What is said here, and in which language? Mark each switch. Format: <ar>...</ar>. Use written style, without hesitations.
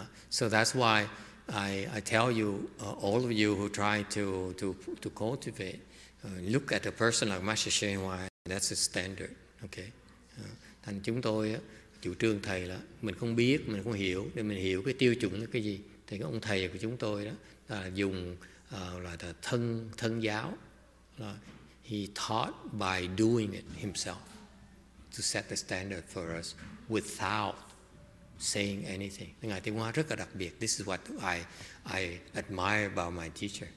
<en>So that's why I tell you, all of you who try to cultivate, look at a person like Master Shen Hua, that's a standard, okay?</en> <vi>Thành chúng tôi chủ trương thầy là mình không biết, mình không hiểu, để mình hiểu cái tiêu chuẩn là cái gì. Thì cái ông thầy của chúng tôi đó là dùng là thân giáo.</vi> <en>He taught by doing it himself to set the standard for us without saying anything.</en> <vi>Ngài Thiên Hóa rất là đặc biệt.</vi> <en>This is what I admire about my teacher.</en>